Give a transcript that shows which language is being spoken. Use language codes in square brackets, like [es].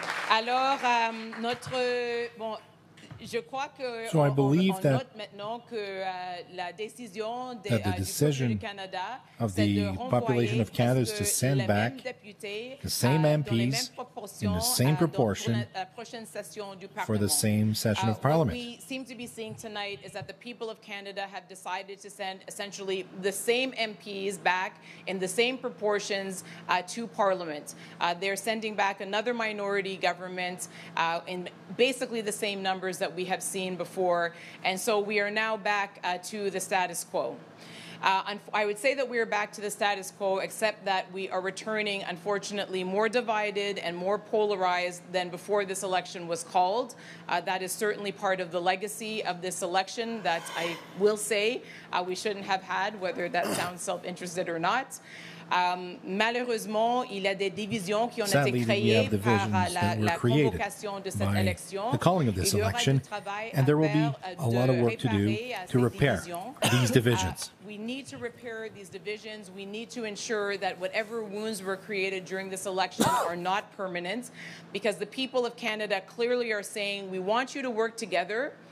[fr] Alors, notre, bon, je crois que [en] so I believe [fr] on note maintenant que, la décision de, [en] that the decision [fr] du Canada, [en] of the population of Canada is to send back the same MPs in the same proportion for the same session of Parliament. What we seem to be seeing tonight is that the people of Canada have decided to send essentially the same MPs back in the same proportions to Parliament. They're sending back another minority government in basically the same numbers that we have seen before. And so we are now back to the status quo. I would say that we are back to the status quo, except that we are returning, unfortunately, more divided and more polarized than before this election was called. That is certainly part of the legacy of this election that I will say we shouldn't have had, whether that sounds self-interested or not. [fr] Malheureusement, il y a des divisions qui ont [en] sadly, [fr] été créées par la convocation de cette élection. [en] The calling of this election, and there will be a lot of work to do to repair these divisions. We need to repair these divisions. We need to ensure that whatever wounds were created during this election are not permanent, because the people of Canada clearly are saying, we want you to work together.